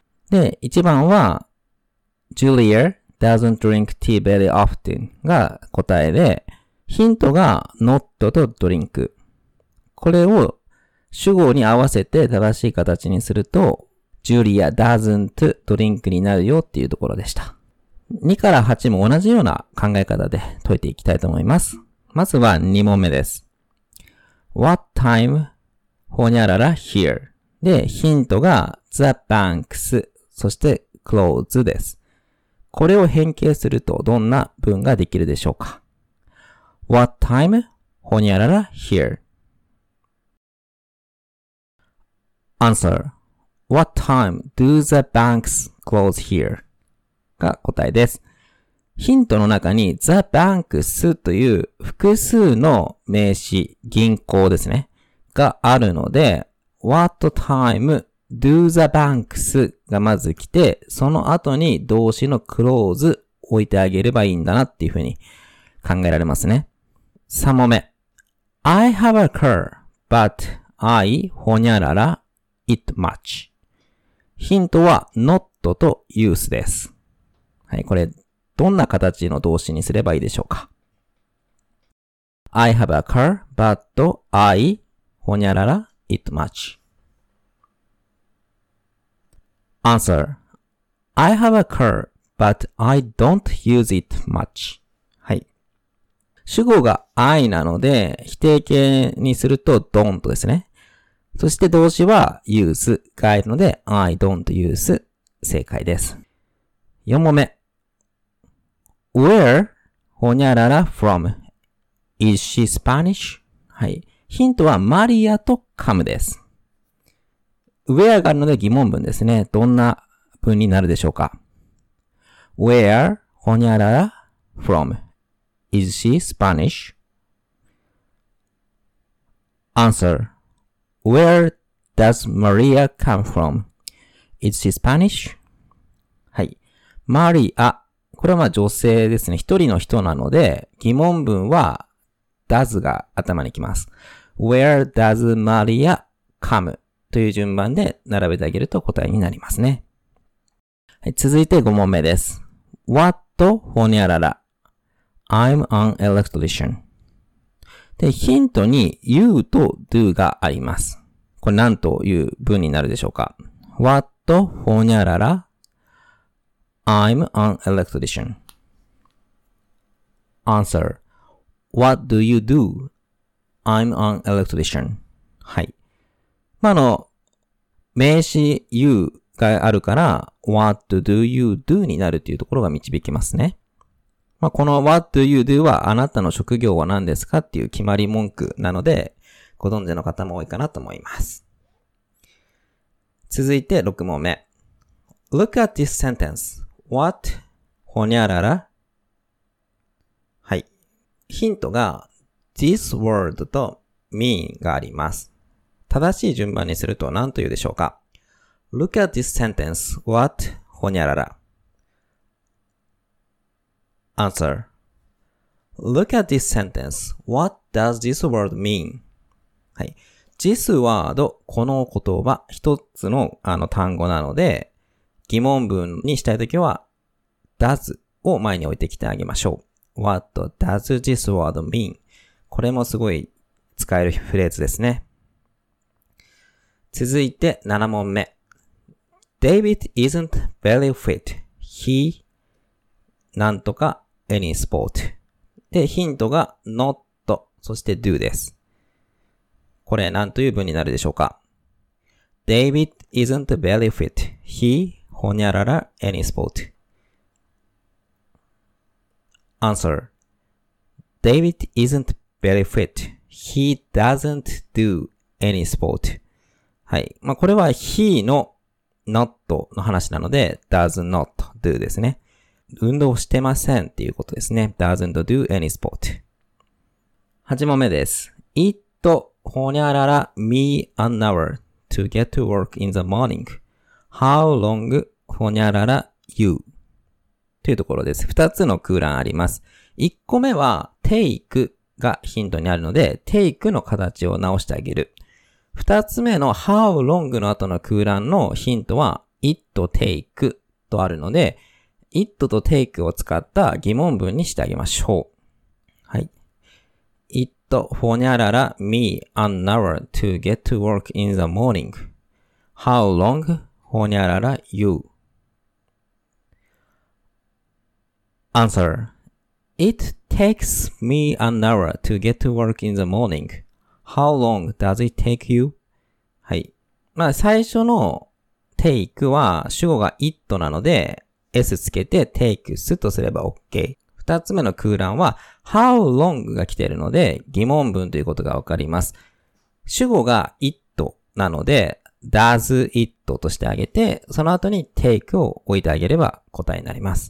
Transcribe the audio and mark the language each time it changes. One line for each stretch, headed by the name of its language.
Japanese: で、1番は
English: Julia doesn't drink tea very often
Japanese: が答えで、ヒントが not と drink、 これを主語に合わせて正しい形にすると
English: Julia doesn't drink
Japanese: になるよっていうところでした。 2から8も同じような考え方で解いていきたいと思います。まずは2問目です。
English: What time ほにゃらら here?
Japanese: で、ヒントが the banks、 そして close です。これを変形するとどんな文ができるでしょうか。
English: What time ほにゃらら here? Answer: What time do the banks close here?
Japanese: が答えです。ヒントの中に The Banks という複数の名詞、銀行ですね、があるので
English: What time do the banks
Japanese: がまず来て、その後に動詞の close 置いてあげればいいんだなっていうふうに考えられますね。 3問目、
English: I have a car but I ほにゃらら it much。
Japanese: ヒントは not と use です。はい、これどんな形の動詞にすればいいでしょうか。
English: I have a car but I ほにゃらら it much。 Answer: I have a car but I don't use it much。
Japanese: はい、主語が I なので否定形にすると don't ですね。そして動詞は use があるので
English: I don't use、
Japanese: 正解です。 4問目、
English: Where ほにゃらら from? Is she Spanish?
Japanese: はい、ヒントはマリアとカムです。Where があるので疑問文ですね。どんな文になるでしょうか。Where ほにゃらら from?
English: Is she Spanish? Answer: Where does Maria come from? Is she Spanish?
Japanese: はい、マリア、これはまあ女性ですね。一人の人なので、疑問文は does が頭にきます。
English: Where does Maria come?
Japanese: という順番で並べてあげると答えになりますね。はい、続いて5問目です。
English: What ほにゃらら ?I'm an electrician。
Japanese: で、ヒントに you と do があります。これ何という文になるでしょうか。
English: What ほにゃららI'm an electrician. Answer: What do you do? I'm an electrician. はい。
Japanese: まあ、あの、名詞 you があるから、
English: What do you do?
Japanese: になるというところが導きますね。
English: まあ、この What do you do?
Japanese: はあなたの職業は何ですかっていう決まり文句なので、ご存知の方も多いかなと思います。続いて6問目。
English: Look at this sentence. What? ほにゃらら?はい。
Japanese: ヒントが this word と mean があります。正しい順番にすると何というでしょうか?
English: Look at this sentence. What? ほにゃらら? Answer: Look at this sentence. What does this word mean?
Japanese: はい。
English: This word、
Japanese: この言葉、一つの単語なので、疑問文にしたいときは does を前に置いてきてあげましょう。
English: What does this word mean?
Japanese: これもすごい使えるフレーズですね。続いて7問目、
English: David isn't very fit. He なんとか any sport.
Japanese: で、ヒントが not そして do です。これ何という文になるでしょうか。
English: David isn't very fit. He ほにゃらら any sport. Answer: David isn't very fit. He doesn't do any sport. はい。
Japanese: まあ、これは he の not の話なので
English: does not do
Japanese: ですね。運動してませんっていうことですね。
English: doesn't do any sport.
Japanese: 8問目です。
English: It ほにゃらら me an hour to get to work in the morning. How long ほにゃらら you? と
Japanese: ていうところです。二つの空欄あります。一個目は、take がヒントにあるので、take の形を直してあげる。二つ目の how long の後の空欄のヒントは、it take とあるので、it と take を使った疑問文にしてあげましょう。はい。
English: it for にゃらら me an hour to get to work in the morning. How long for にゃらら you? Answer. It takes me an hour to get to work in the morning. How long does it take you?
Japanese: はい。まあ、最初の take は主語が it なので s つけて takes とすれば OK。二つ目の空欄は how long が来ているので疑問文ということがわかります。主語が it なので
English: does it
Japanese: としてあげて、その後に take を置いてあげれば答えになります。